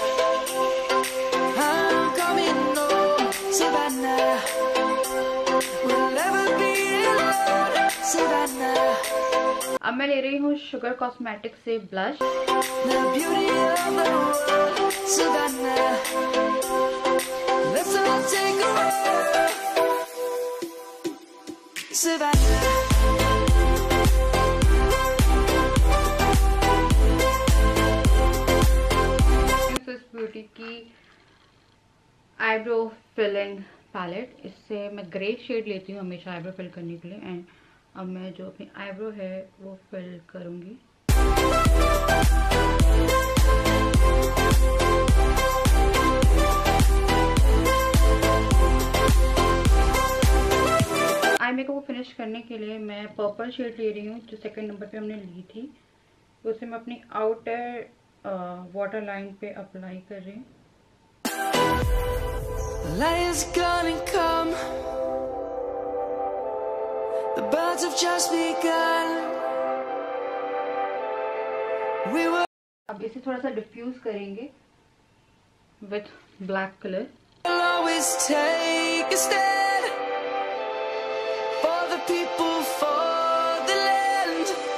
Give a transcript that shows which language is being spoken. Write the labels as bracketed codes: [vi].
[en] Savannah, I'm coming home. Savannah, we'll never be alone. Savannah. [hi] अब मैं ले रही हूँ शुगर कॉस्मेटिक से blush. [en] The beauty of the world, Savannah. Let's all take a walk, Savannah. [hi] की eyebrow filling palette, इससे मैं grey shade लेती हूँ हमेशा आईब्रो फिल करने के लिए एंड अब मैं जो अपनी आईब्रो है वो फिल करूंगी। आई मेकअप को फिनिश करने के लिए मैं पर्पल शेड ले रही हूँ जो सेकंड नंबर पे हमने ली थी, उसे मैं अपनी आउटर वाटर लाइन पे अप्लाई कर रही हूँ। [en] Lions gonna come, the birds have just begun. We were [hi] अब इसे थोड़ा सा डिफ्यूज करेंगे with black colour. [en] We'll always take a stand for the people, for the land.